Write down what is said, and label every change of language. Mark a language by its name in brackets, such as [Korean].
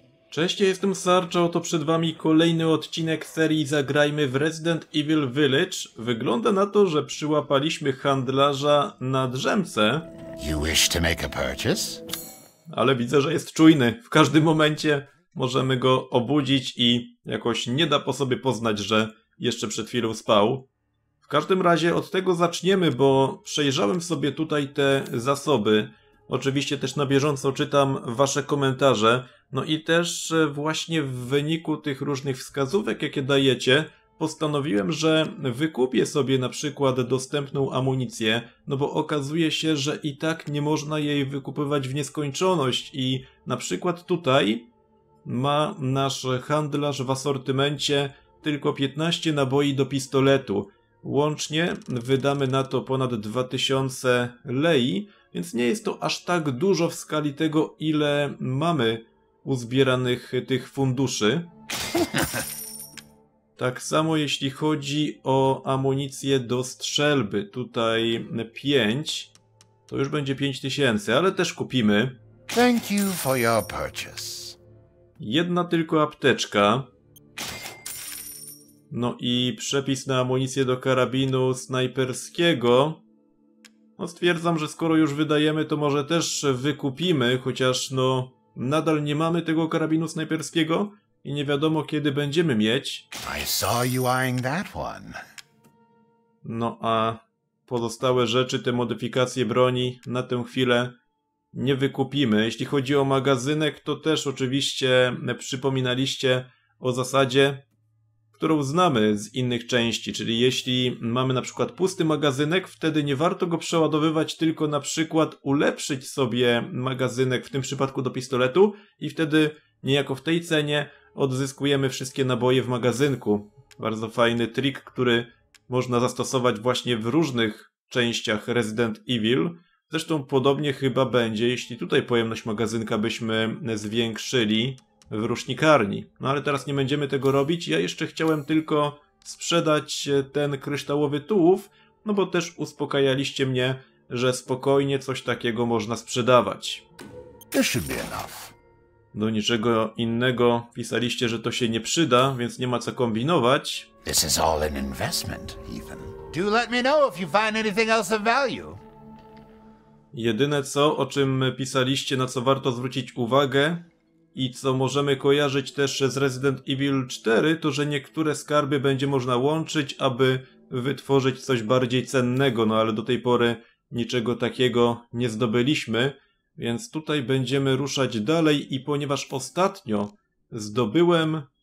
[Polish] Cześć, ja jestem Sarcho, to przed wami kolejny odcinek serii Zagrajmy w Resident Evil Village. Wygląda na to, że przyłapaliśmy handlarza na drzemce. [English] You wish to make a purchase? [Polish] Ale widzę, że jest czujny. W każdym momencie możemy go obudzić i jakoś nie da po sobie poznać, że jeszcze przed chwilą spał. W każdym razie od tego zaczniemy, bo przejrzałem sobie tutaj te zasoby. Oczywiście też na bieżąco czytam wasze komentarze. No i też właśnie w wyniku tych różnych wskazówek, jakie dajecie, postanowiłem, że wykupię sobie na przykład dostępną amunicję, no bo okazuje się, że i tak nie można jej wykupywać w nieskończoność i na przykład tutaj ma nasz handlarz w asortymencie tylko 15 naboi do pistoletu. Łącznie wydamy na to ponad 2000 lei, więc nie jest to aż tak dużo w skali tego, ile mamy uzbieranych tych funduszy. Tak samo jeśli chodzi o amunicję do strzelby. Tutaj 5. To już będzie 5000, ale też kupimy. [English] Thank you for your purchase. [Polish] Jedna tylko apteczka. No i przepis na amunicję do karabinu snajperskiego. No stwierdzam, że skoro już wydajemy, to może też wykupimy, chociaż no nadal nie mamy tego karabinu snajperskiego i nie wiadomo, kiedy będziemy mieć. [English] I saw you eyeing that one. [Polish] No a pozostałe rzeczy, te modyfikacje broni na tę chwilę nie wykupimy. Jeśli chodzi o magazynek, to też oczywiście przypominaliście o zasadzie, którą znamy z innych części. Czyli jeśli mamy na przykład pusty magazynek, wtedy nie warto go przeładowywać, tylko na przykład ulepszyć sobie magazynek, w tym przypadku do pistoletu, i wtedy niejako w tej cenie odzyskujemy wszystkie naboje w magazynku. Bardzo fajny trik, który można zastosować właśnie w różnych częściach Resident Evil. Zresztą podobnie chyba będzie, jeśli tutaj pojemność magazynka byśmy zwiększyli w rusznikarni. No ale teraz nie będziemy tego robić. Ja jeszcze chciałem tylko sprzedać ten kryształowy tułów, no bo też uspokajaliście mnie, że spokojnie coś takiego można sprzedawać. [English] To should be enough. [Polish] Do niczego innego pisaliście, że to się nie przyda, więc nie ma co kombinować. [English] This is all an investment, Ethan. Do let me know if you find anything else of value. [Polish] Jedyne co, o czym pisaliście, na co warto zwrócić uwagę i co możemy kojarzyć też z Resident Evil 4, to że niektóre skarby będzie można łączyć, aby wytworzyć coś bardziej cennego, no ale do tej pory niczego takiego nie zdobyliśmy, więc tutaj będziemy ruszać dalej i ponieważ ostatnio zdobyłem